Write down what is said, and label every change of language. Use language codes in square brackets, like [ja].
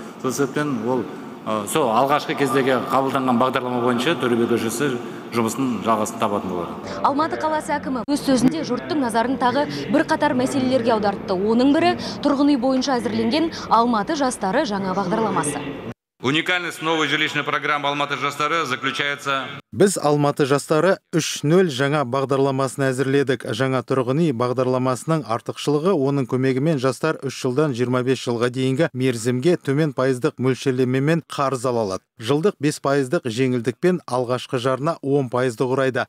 [kk] Сол себептен ол сол алғашқы кездегі қабылданған бағдарлама бойынша Төлеби көшесі жұмысының жалғасын табатын болады. Алматы қаласы әкімі өз сөзінде жұрттың назарын тағы бірқатар мәселелерге аудартты. Оның бірі тұрғын үй бойынша әзірленген Алматы жастары жаңа бағдарламасы. [ru] Уникальность новой жилищной программы Алматы жастары заключается. [kk] Біз Алматы жастары 3.0 жаңа бағдарламасын әзірледік. Жаңа тұрғын үй бағдарламасының артықшылығы оның көмегімен жастар 3 жылдан 25 жылға дейінгі мерзімге төмен пайыздық мөлшерлемемен қарыз ала алады. Жылдық 5% жеңілдікпен алғашқы жарна 10% құрайды.